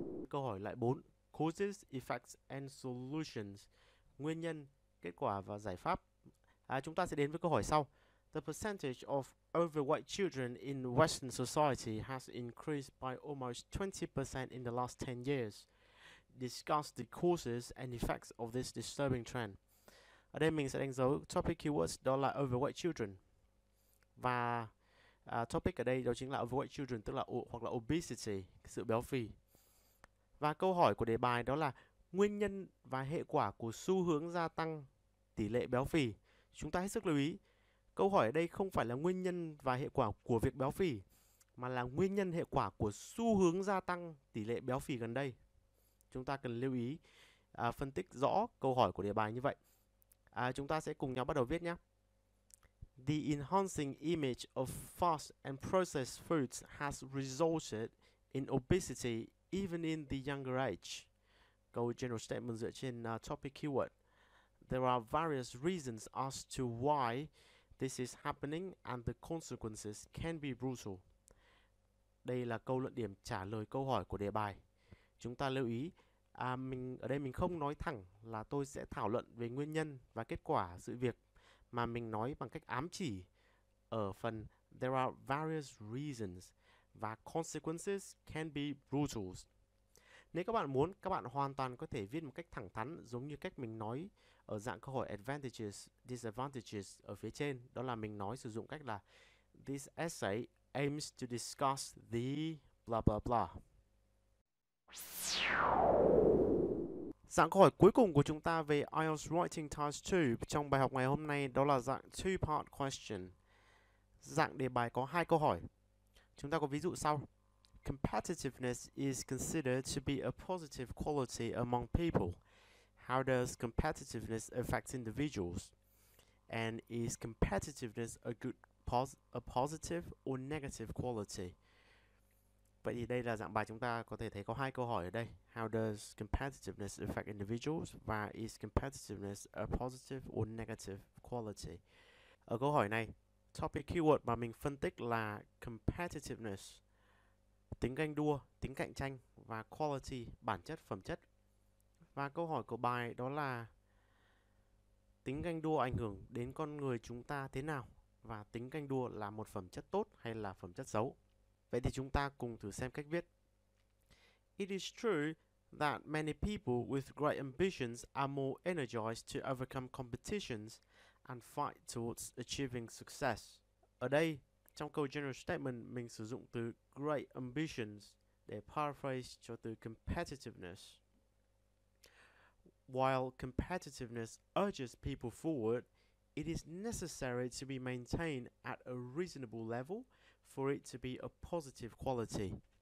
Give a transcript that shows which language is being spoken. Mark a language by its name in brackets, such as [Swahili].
[Vietnamese] Câu hỏi lại 4, [English] causes, effects and solutions, [Vietnamese] nguyên nhân, kết quả và giải pháp. Chúng ta sẽ đến với câu hỏi sau. [English] The percentage of overweight children in Western society has increased by almost 20% in the last 10 years. Discuss the causes and effects of this disturbing trend. [Vietnamese] Ở đây mình sẽ đánh dấu topic keywords đó là overweight children. Và topic ở đây đó chính là overweight children, tức là hoặc là obesity, sự béo phì. Và câu hỏi của đề bài đó là nguyên nhân và hệ quả của xu hướng gia tăng tỷ lệ béo phì. Chúng ta hết sức lưu ý, câu hỏi ở đây không phải là nguyên nhân và hệ quả của việc béo phì, mà là nguyên nhân hệ quả của xu hướng gia tăng tỷ lệ béo phì gần đây. Chúng ta cần lưu ý, phân tích rõ câu hỏi của đề bài như vậy. Chúng ta sẽ cùng nhau bắt đầu viết nhé. [English] The enhancing image of fast and processed foods has resulted in obesity even in the younger age. [Vietnamese] Câu general statement dựa trên topic keyword. [English] There are various reasons as to why this is happening and the consequences can be brutal. [Vietnamese] Đây là câu luận điểm trả lời câu hỏi của đề bài. Chúng ta lưu ý, mình không nói thẳng là tôi sẽ thảo luận về nguyên nhân và kết quả sự việc, mà mình nói bằng cách ám chỉ ở phần [English] there are various reasons [Vietnamese] và [English] consequences can be brutal. [Vietnamese] Nếu các bạn muốn, các bạn hoàn toàn có thể viết một cách thẳng thắn giống như cách mình nói ở dạng câu hỏi advantages, disadvantages ở phía trên. Đó là mình nói sử dụng cách là [English] this essay aims to discuss the blah blah blah. [Vietnamese] Dạng câu hỏi cuối cùng của chúng ta về IELTS Writing Task 2 trong bài học ngày hôm nay đó là dạng two-part question. Dạng đề bài có hai câu hỏi. Chúng ta có ví dụ sau. [English] Competitiveness is considered to be a positive quality among people. How does competitiveness affect individuals? And is competitiveness a positive or negative quality? [Vietnamese] Vậy thì đây là dạng bài chúng ta có thể thấy có hai câu hỏi ở đây. [English] How does competitiveness affect individuals? [Vietnamese] Và [English] is competitiveness a positive or negative quality? [Vietnamese] Ở câu hỏi này, Topic keyword mà mình phân tích là competitiveness, tính ganh đua, tính cạnh tranh, và quality, bản chất, phẩm chất. Và câu hỏi của bài đó là tính ganh đua ảnh hưởng đến con người chúng ta thế nào? Và tính ganh đua là một phẩm chất tốt hay là phẩm chất xấu? Vậy thì chúng ta cùng thử xem cách viết. [English] It is true that many people with great ambitions are more energized to overcome competitions and fight towards achieving success. [Vietnamese] Ở đây, trong câu general statement, mình sử dụng từ great ambitions để paraphrase cho từ competitiveness. [English] While competitiveness urges people forward, it is necessary to be maintained at a reasonable level for it to be a positive quality.